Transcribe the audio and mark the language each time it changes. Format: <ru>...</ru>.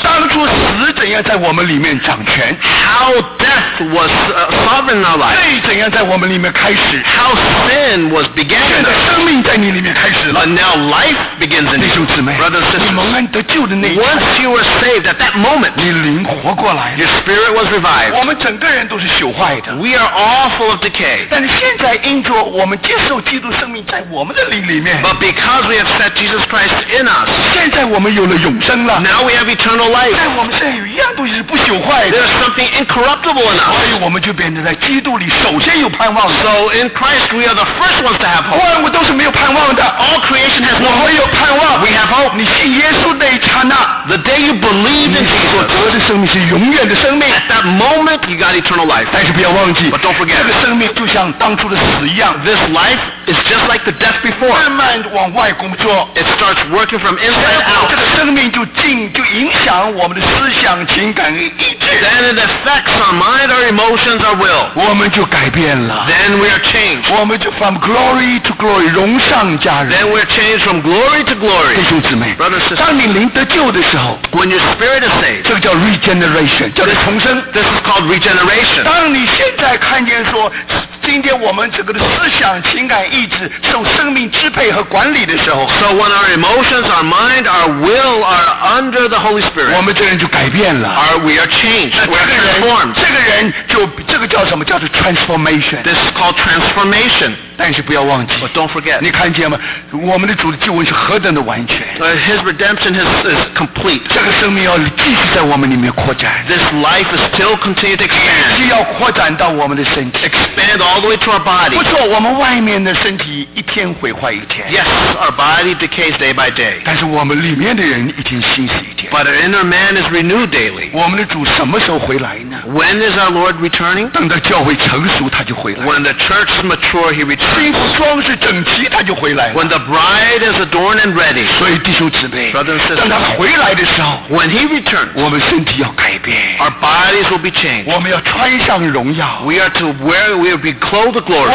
<zh>当初死怎样在我们里面掌权</zh> <en>？How death was sovereign our life.</en> <zh>罪怎样在我们里面开始</zh> <en>？How sin was began.</en> <zh>现在生命在你里面开始了。</zh> <en>But now life begins in you. Brothers and sisters,</en> <zh>你蒙恩得救的那一刻</zh> <en>Once you were saved at that moment,</en> <zh>你灵活过来</zh> <en>Your spirit was revived.</en> <zh>我们整个人都是朽坏的</zh> <en>We are all full of decay.</en> <zh>但是现在因着我们接受基督生命在我们的灵里面</zh> <en>But because because we have set Jesus Christ in us.</en> <zh>现在我们有了永生了。</zh> <en>Now we have eternal life.</en> <zh>在我们现在有一样东西是不朽坏的。</zh> <en>There is something incorruptible in us.</en> <zh>所以我们就变成在基督里首先有盼望。</zh> <en>So in Christ we are the first ones to have hope.</en> <zh>万物都是没有盼望的。</zh> <en>All creation has</en> <zh>hope. 我们有盼望。</zh> <en>We have hope.</en> <zh>你信耶稣那一刹那。</zh> <en>The day you believe in Jesus.</en> <zh>你所得的生命是永远的生命。</zh> <en>At that moment you got eternal life.</en> <zh>但是不要忘记。</zh> <en>But don't forget.</en> <zh>这个生命就像当初的死一样。</zh> <en>This life is just like the death before.</en> <zh>慢慢往外工作。</zh> <en>It starts working from inside out.</en> <zh>这个生命就影响我们的思想、情感和意志。</zh> <en>Then it affects our mind, our emotions, our will.</en> <zh>我们就改变了。</zh> <en>Then we are changed.</en> <zh>我们就</zh> <en>from glory to glory,</en> <zh>荣上加荣。</zh> <en>Then we are changed from glory to glory.</en> <zh>弟兄姊妹</zh> <en>Brothers, sisters,</en> <zh>当你灵得救的时候</zh> <en>When your spirit is saved,</en> <zh>这个叫 regeneration, 叫做重生。</zh> <en>This is called regeneration.</en> <zh>当你现在看见说今天我们这个的思想、情感、意志受生命支配和管理的时候</zh> <en>So when our emotions, our mind, our will are under the Holy Spirit</en> <zh>我们这人就改变了</zh> <en>our, We are changed, we are transformed</en> <zh>这个人就这个叫什么叫做 transformation</zh> <en>This is called transformation</en> <zh>但是不要忘记</zh> <en>But don't forget</en> <zh>你看见吗我们的主的救恩是何等的完全</zh> <en>His redemption is complete</en> <zh>这个生命要继续在我们里面扩展</zh> <en>This life is still continuing to expand</en> <zh>继续要扩展到我们的身体</zh> <en>Expand all the way to our body</en> <zh>不错我们外面的身体一天毁坏一天</zh> <en>Yes, our body decays day by day</en> <zh>但是我们里面的人一天新是一天</zh> <en>But our inner man is renewed daily</en> <zh>我们的主什么时候回来呢</zh> <en>When is our Lord returning?</en> <zh>等到教会成熟他就回来</zh> <en>When the church is mature, he returns</en> <zh>新服装是整齐他就回来了</zh> <en>When the bride is adorned and ready</en> <zh>所以弟兄姊妹</zh> <en>Brother and sister</en> <zh>当他回来的时候</zh> <en>When he returns</en> <zh>我们身体要改变</zh> <en>Our bodies will be changed</en> <zh>我们要穿上荣耀</zh> <en>We are to wear, we will be clothed with glory</en>